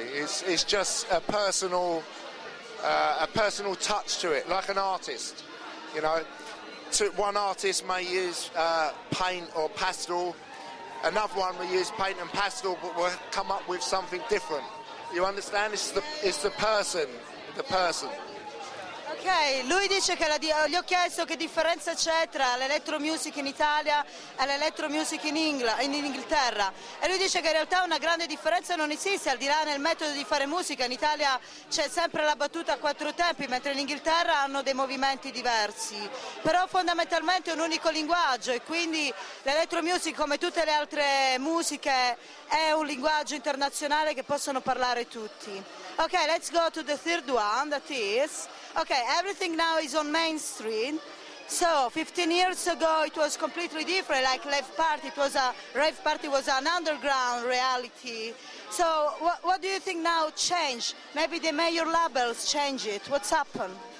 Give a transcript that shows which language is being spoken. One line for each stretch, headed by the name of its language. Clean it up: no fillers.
English: It's just a personal touch to it, like an artist, you know. One artist may use paint or pastel, another one will use paint and pastel, but will come up with something different. You understand? It's the person.
Italian: Ok, lui dice che gli ho chiesto che differenza c'è tra l'electro music in Italia e l'electro music in Inghilterra e lui dice che in realtà una grande differenza non esiste, al di là nel metodo di fare musica. In Italia c'è sempre la battuta a quattro tempi, mentre in Inghilterra hanno dei movimenti diversi, però fondamentalmente è un unico linguaggio e quindi l'electro music, come tutte le altre musiche, è un linguaggio internazionale che possono parlare tutti.
English: Ok, let's go to the third one, that is... Okay, everything now is on mainstream. So 15 years ago it was completely different, like rave party. It was a rave party was an underground reality. So what do you think now changed? Maybe the major labels change it. What's happened?